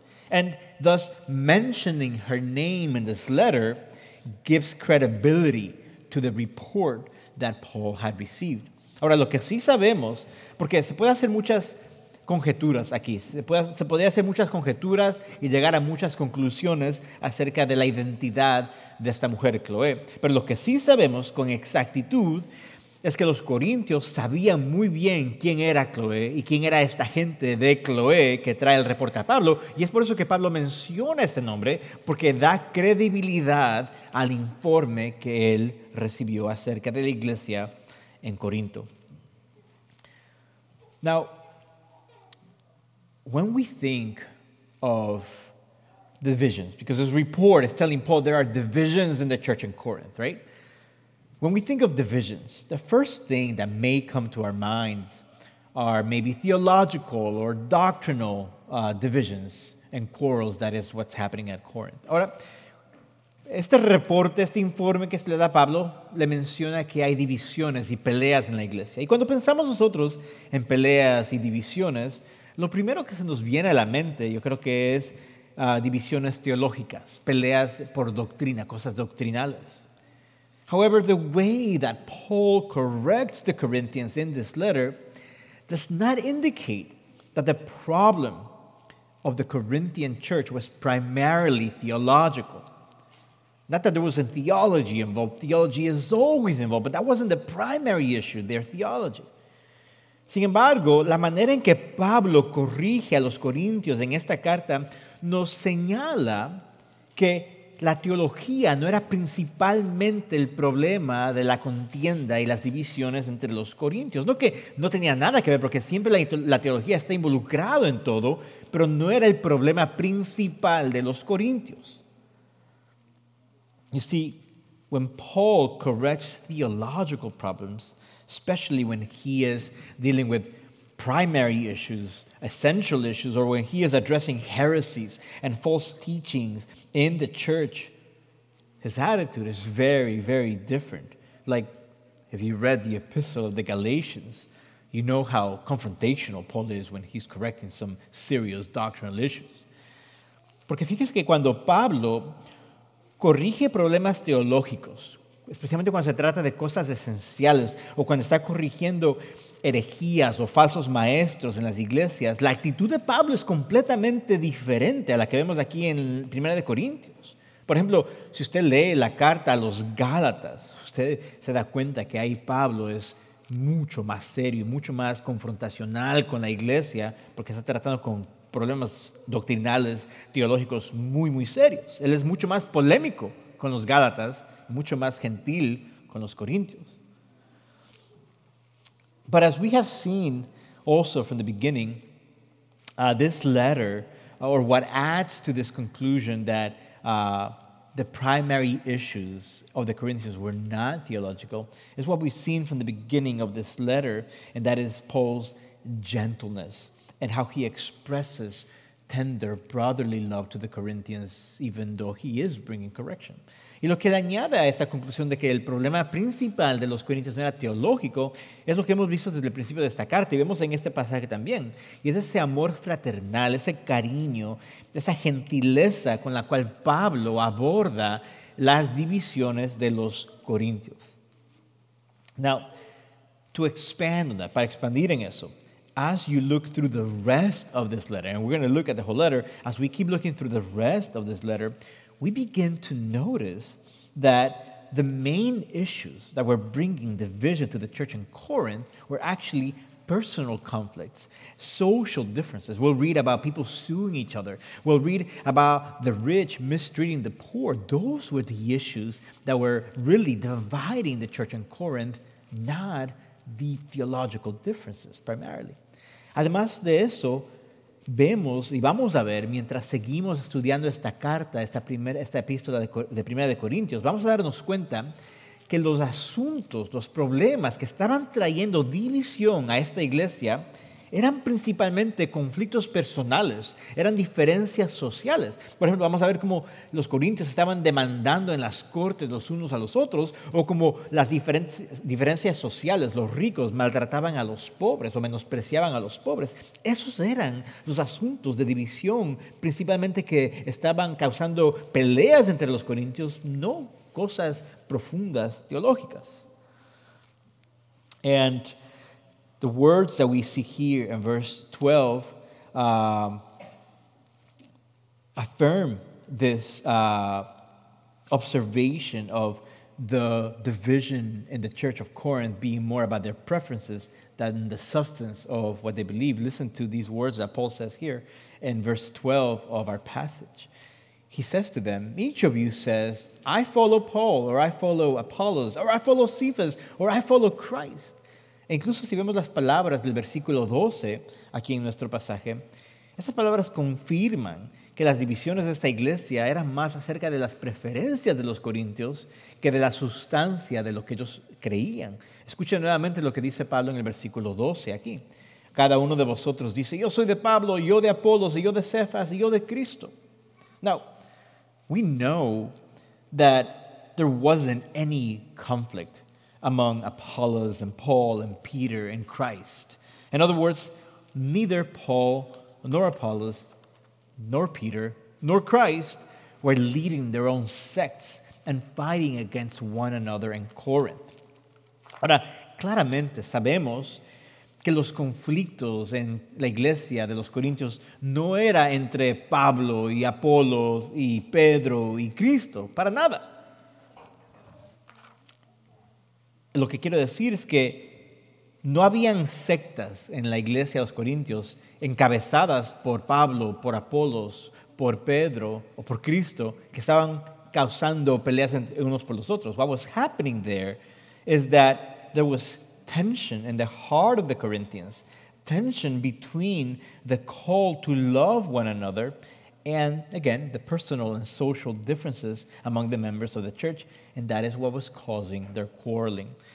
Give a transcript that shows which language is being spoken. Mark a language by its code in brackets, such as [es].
[en] And thus, mentioning her name in this letter gives credibility to the report that Paul had received. [es] Ahora, lo que sí sabemos, porque se puede hacer muchas conjeturas aquí, se podría hacer muchas conjeturas y llegar a muchas conclusiones acerca de la identidad de esta mujer, Chloe. Pero lo que sí sabemos con exactitud es que los corintios sabían muy bien quién era Cloé y quién era esta gente de Cloé que trae el reporte a Pablo. Y es por eso que Pablo menciona este nombre, porque da credibilidad al informe que él recibió acerca de la iglesia en Corinto. [en] Now, when we think of divisions, because this report is telling Paul there are divisions in the church in Corinth, right? When we think of divisions, the first thing that may come to our minds are maybe theological or doctrinal divisions and quarrels. That is what's happening at Corinth. [es] Ahora, este reporte, este informe que se le da a Pablo, le menciona que hay divisiones y peleas en la iglesia. Y cuando pensamos nosotros en peleas y divisiones, lo primero que se nos viene a la mente, yo creo que es divisiones teológicas, peleas por doctrina, cosas doctrinales. [en] However, the way that Paul corrects the Corinthians in this letter does not indicate that the problem of the Corinthian church was primarily theological. Not that there was a theology involved. Theology is always involved, but that wasn't the primary issue, their theology. [es] Sin embargo, la manera en que Pablo corrige a los corintios en esta carta nos señala que la teología no era principalmente el problema de la contienda y las divisiones entre los corintios. No que no tenía nada que ver, porque siempre la teología está involucrada en todo, pero no era el problema principal de los corintios. [en] You see, when Paul corrects theological problems, especially when he is dealing with primary issues, essential issues, or when he is addressing heresies and false teachings in the church, his attitude is very, very different. Like, if you read the epistle of the Galatians, you know how confrontational Paul is when he's correcting some serious doctrinal issues. [es] Porque fíjese que cuando Pablo corrige problemas teológicos, especialmente cuando se trata de cosas esenciales o cuando está corrigiendo herejías o falsos maestros en las iglesias, la actitud de Pablo es completamente diferente a la que vemos aquí en 1 Corintios. Por ejemplo, si usted lee la carta a los Gálatas, usted se da cuenta que ahí Pablo es mucho más serio y mucho más confrontacional con la iglesia, porque está tratando con problemas doctrinales, teológicos muy, muy serios. Él es mucho más polémico con los Gálatas, mucho más gentil con los corintios. [en] But as we have seen also from the beginning, this letter, or what adds to this conclusion that the primary issues of the Corinthians were not theological, is what we've seen from the beginning of this letter, and that is Paul's gentleness and how he expresses tender brotherly love to the Corinthians, even though he is bringing correction. [es] Y lo que le añade a esta conclusión de que el problema principal de los corintios no era teológico es lo que hemos visto desde el principio de esta carta y vemos en este pasaje también. Y es ese amor fraternal, ese cariño, esa gentileza con la cual Pablo aborda las divisiones de los corintios. [en] Now, to expand on that, [es] para expandir en eso, [en] as you look through the rest of this letter, and we're going to look at the whole letter, as we keep looking through the rest of this letter, we begin to notice that the main issues that were bringing division to the church in Corinth were actually personal conflicts, social differences. We'll read about people suing each other. We'll read about the rich mistreating the poor. Those were the issues that were really dividing the church in Corinth, not the theological differences primarily. [es] Además de eso, vemos y vamos a ver, mientras seguimos estudiando esta carta, esta epístola de Primera de Corintios, vamos a darnos cuenta que los asuntos, los problemas que estaban trayendo división a esta iglesia eran principalmente conflictos personales, eran diferencias sociales. Por ejemplo, vamos a ver cómo los corintios estaban demandando en las cortes los unos a los otros, o cómo las diferencias sociales, los ricos maltrataban a los pobres o menospreciaban a los pobres. Esos eran los asuntos de división, principalmente que estaban causando peleas entre los corintios, no cosas profundas teológicas. [en] And the words that we see here in verse 12 affirm this observation of the division in the church of Corinth being more about their preferences than the substance of what they believe. Listen to these words that Paul says here in verse 12 of our passage. He says to them, each of you says, I follow Paul, or I follow Apollos, or I follow Cephas, or I follow Christ. [es] E incluso si vemos las palabras del versículo 12 aquí en nuestro pasaje, esas palabras confirman que las divisiones de esta iglesia eran más acerca de las preferencias de los corintios que de la sustancia de lo que ellos creían. Escuchen nuevamente lo que dice Pablo en el versículo 12 aquí. Cada uno de vosotros dice, yo soy de Pablo, yo de Apolos, y yo de Cephas, y yo de Cristo. [en] Now, we know that there wasn't any conflict among Apollos and Paul and Peter and Christ. In other words, neither Paul nor Apollos nor Peter nor Christ were leading their own sects and fighting against one another in Corinth. [es] Ahora, claramente sabemos que los conflictos en la iglesia de los corintios no era entre Pablo y Apolos y Pedro y Cristo, para nada. Lo que quiero decir es que no habían sectas en la iglesia de los corintios encabezadas por Pablo, por Apolos, por Pedro o por Cristo que estaban causando peleas unos por los otros. [en] What was happening there is that there was tension in the heart of the Corinthians, tension between the call to love one another and, again, the personal and social differences among the members of the church, and that is what was causing their quarreling.